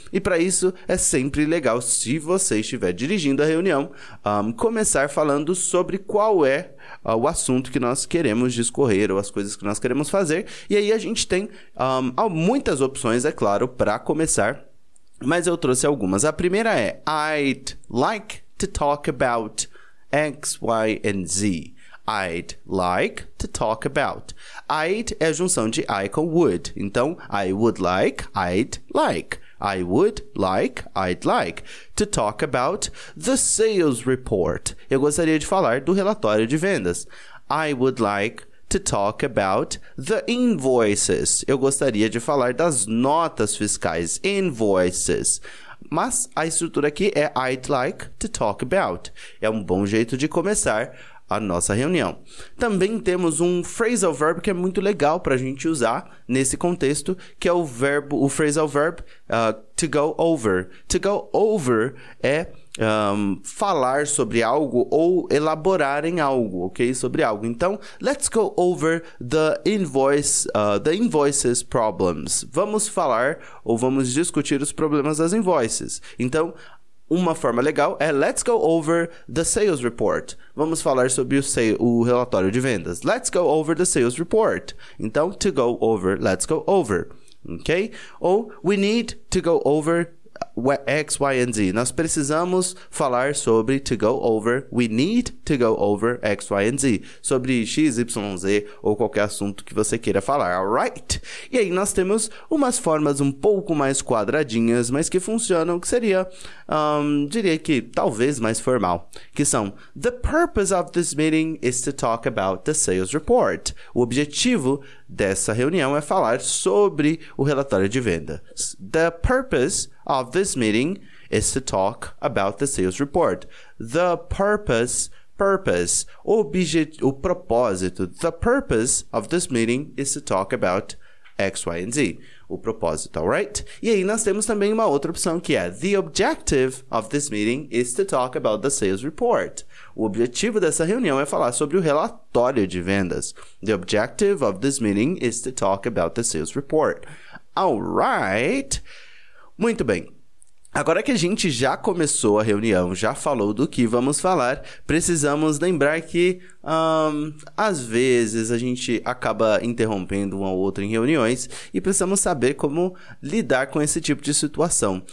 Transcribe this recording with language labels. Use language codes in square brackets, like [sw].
[pt] E para isso, é sempre legal, se você estiver dirigindo a reunião, começar falando sobre qual é o assunto que nós queremos discorrer ou as coisas que nós queremos fazer. E aí a gente tem muitas opções, é claro, para começar. Mas eu trouxe algumas. A primeira é, [en] I'd like to talk about X, Y, and Z. I'd like to talk about. I'd [pt] é a junção de I com would. [en] Então, I would like, I'd like. I would like, I'd like. To talk about the sales report. [pt] Eu gostaria de falar do relatório de vendas. [en] I would like to talk about the invoices. [pt] Eu gostaria de falar das notas fiscais. Invoices. Mas a estrutura aqui é [en] I'd like to talk about. [pt] É um bom jeito de começar a nossa reunião. Também temos um phrasal verb que é muito legal para a gente usar nesse contexto, que é o phrasal verb [en] to go over. To go over [pt] é falar sobre algo ou elaborar em algo, ok? Sobre algo. Então, [en] let's go over the invoices problems. [pt] Vamos falar ou vamos discutir os problemas das invoices. Então, uma forma legal é [en] let's go over the sales report. [pt] Vamos falar sobre o relatório de vendas. [en] Let's go over the sales report. Então, to go over, let's go over. Ok? Ou we need to go over X, Y, and Z. [pt] Nós precisamos falar sobre [en] to go over. We need to go over X, Y, and Z. [pt] Sobre X, Y, Z ou qualquer assunto que você queira falar. Alright? E aí nós temos umas formas um pouco mais quadradinhas, mas que funcionam, que seria, diria que talvez mais formal. Que são, [en] the purpose of this meeting is to talk about the sales report. [pt] O objetivo dessa reunião é falar sobre o relatório de vendas. [en] The purpose of this meeting is to talk about the sales report. The purpose, [pt] o propósito, [en] the purpose of this meeting is to talk about X, Y, and Z, [pt] o propósito, [en] alright? [pt] E aí nós temos também uma outra opção que é [en] the objective of this meeting is to talk about the sales report. [pt] O objetivo dessa reunião é falar sobre o relatório de vendas. [en] The objective of this meeting is to talk about the sales report. [pt] Alright? Muito bem. Agora que a gente já começou a reunião, já falou do que vamos falar, precisamos lembrar que, às vezes, a gente acaba interrompendo um ou outro em reuniões e precisamos saber como lidar com esse tipo de situação.